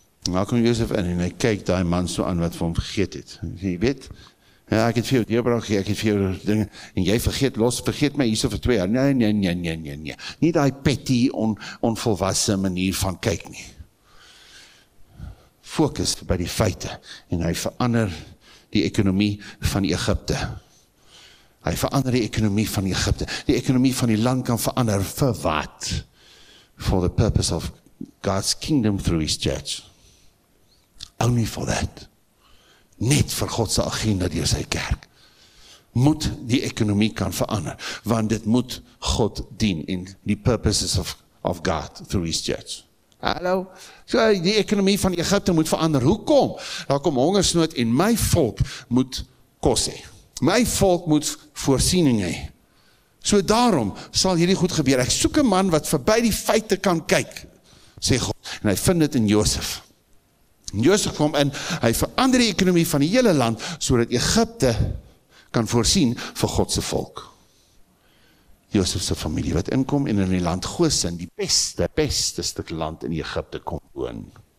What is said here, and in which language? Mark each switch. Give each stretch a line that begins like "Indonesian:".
Afrikaans: Daar kom Josef in, en hy kyk die man so aan wat vir hom vergeet het, hy weet, ja, ek het vir jou deurbraak, ek het vir jou dinge, en jy vergeet my hierso vir 2 jaar, nee, nie die petty, onvolwassen manier van kyk nie, focus by die feite, en hy verander die ekonomie van Egypte, hy verander die ekonomie van Egypte, die ekonomie van die land kan verander, vir wat?
English: For the purpose of God's kingdom through his church, only for that,
Afrikaans: net vir Godse agenda door sy kerk. moet die ekonomie kan verander, want dit moet God dien in die
English: purposes of God through his church.
Afrikaans: Hallo, so, die ekonomie van Egypte moet verander. Hoekom? Daar kom hongersnood en my volk moet kos hê. My volk moet voorsiening hê. So daarom sal hierdie goed gebeur. Ek soek 'n man wat verby die feite kan kyk, sê God, en hy vind dit in Josef. En Josef kom in, hy verander die ekonomie van die hele land, sodat Egypte kan voorsien vir God se volk. Josef se familie wat inkom en in die land Goshen, die beste stuk land in Egypte kom woon.